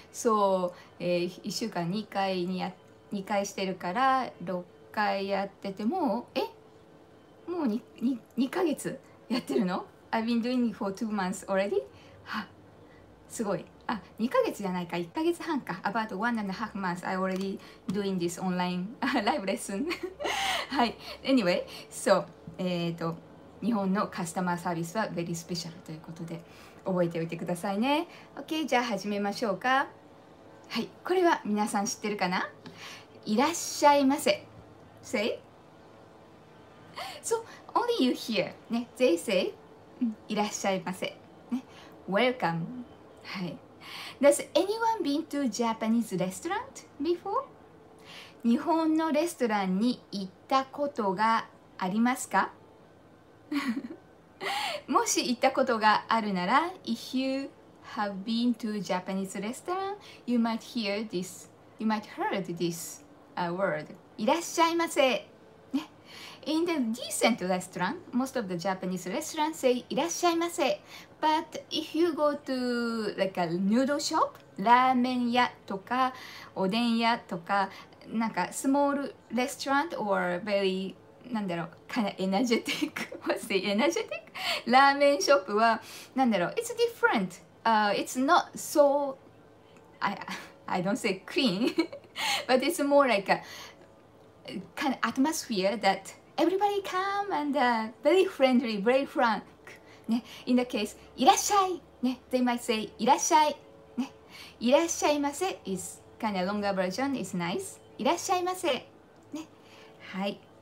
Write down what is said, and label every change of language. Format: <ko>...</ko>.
<ja>So, 1週間2回にやって、2回してるから6回やってて、もうもう 2ヶ月やってるの？</ja> <en>I've been doing it for 2 months already?</en> <ja>はすごい。あ、2ヶ月じゃないか、1ヶ月半か。</ja> <en>About 1.5 months I already doing this online live lesson.</en> <ja>はい。Anyway, so, 日本のカスタマーサービスは</ja> <en>very special</en> <ja>ということで覚えておいてくださいね。 OK, じゃあ始めましょうか。はい、これは皆さん知ってるかな？いらっしゃいませ。</ja> <en>Say? So, only you here.、ね、they say, いらっしゃいませ。ね、Welcome.、はい、Does anyone been to Japanese restaurant before?</en> <ja>日本のレストランに行ったことがありますか？もし行ったことがあるなら、</ja> <en>If you have been to Japanese restaurant, you might hear this. You might heard this. Word. いらっしゃいませ、ね、In the decent restaurant, most of the Japanese restaurants say いらっしゃいませ But if you go to like a noodle shop,</en> <ja>ラーメン屋とかおでん屋とかなんか</ja> <en>small restaurant or very</en> <ja>なんだろう</ja> <en>kind of energetic, what's the energetic?</en> <ja>ラーメンショップはなんだろう</ja> <en>It's different.、it's not so, I don't say clean. But it's more like a kind of atmosphere that everybody come and、very friendly, very frank.、ね、In the case, いらっしゃい、ね、They might say, いらっしゃい、ね、いらっしゃいませ is kind of longer version, it's nice.</en> <ja>いらっしゃいませ、ね、はい。</ja>